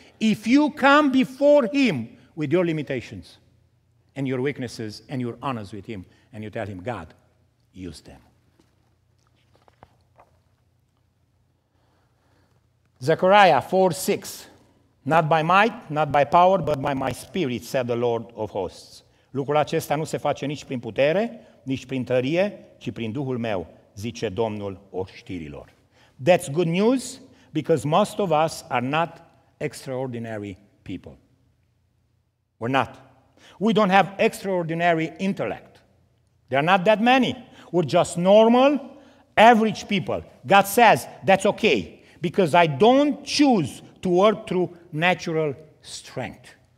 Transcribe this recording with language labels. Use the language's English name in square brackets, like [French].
[English] If you come before him with your limitations and your weaknesses and your honors with him and you tell him, God, use them. Zechariah 4:6, not by might, not by power, but by my spirit, said the Lord of hosts. [Romanian] Lucrul acesta nu se face nici prin putere, nici prin tărie, ci prin Duhul meu, zice Domnul oștirilor. [English] That's good news, because most of us are not extraordinary people. We're not. We don't have extraordinary intellect. There are not that many. We're just normal, average people. God says, that's okay, because I don't choose to work through natural strength.